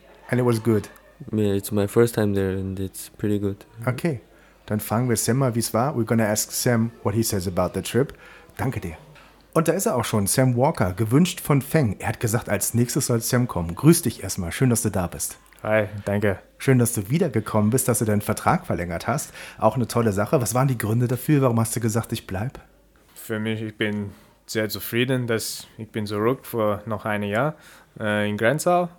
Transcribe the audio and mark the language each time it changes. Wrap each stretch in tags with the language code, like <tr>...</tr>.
<en>And it was good. Yeah, it's my first time there and it's pretty good.</en> <de>Okay, dann fragen wir Sam mal, wie es war.</de> <en>We're gonna ask Sam what he says about the trip.</en> <de>Danke dir. Und da ist er auch schon, Sam Walker, gewünscht von Feng. Er hat gesagt, als nächstes soll Sam kommen. Grüß dich erstmal, schön, dass du da bist. Hi, danke. Schön, dass du wiedergekommen bist, dass du deinen Vertrag verlängert hast. Auch eine tolle Sache. Was waren die Gründe dafür? Warum hast du gesagt, ich bleib? Für mich, ich bin sehr zufrieden, dass ich bin zurück vor noch einem Jahr in Grenzau.</de>